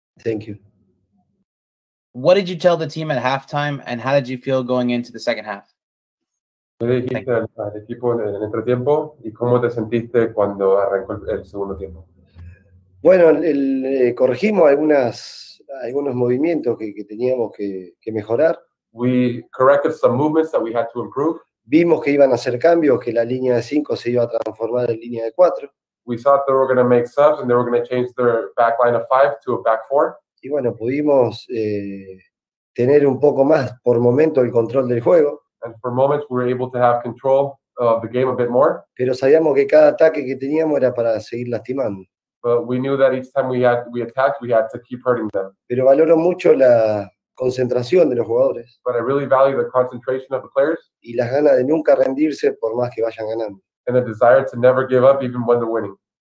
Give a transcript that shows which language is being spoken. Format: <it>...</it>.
<en>Thank you. What did you tell the team at halftime, and how did you feel going into the second half?</en> <es>¿Qué dijiste al equipo en el entretiempo, y cómo te sentiste cuando arrancó el segundo tiempo? Bueno, corregimos algunos movimientos que teníamos que mejorar.</es> <en>We corrected some movements that we had to improve.</en> <es>Vimos que iban a hacer cambios, que la línea de 5 se iba a transformar en línea de 4.</es> <en>We thought they were going to make subs and they were going to change their back line of 5 to a back 4.</en> <es>Y bueno, pudimos tener un poco más por momento el control del juego.</es> <en>And for moments we were able to have control of the game a bit more.</en> <es>Pero sabíamos que cada ataque que teníamos era para seguir lastimando.</es> <en>But we knew that each time we attacked, we had to keep hurting them.</en> <es>Pero valoro mucho la concentración de los jugadores.</es> <en>But I really value the concentration of the players.</en> <es>Y las ganas de nunca rendirse por más que vayan ganando.</es> <en>And the desire to never give up even when they're winning.</en>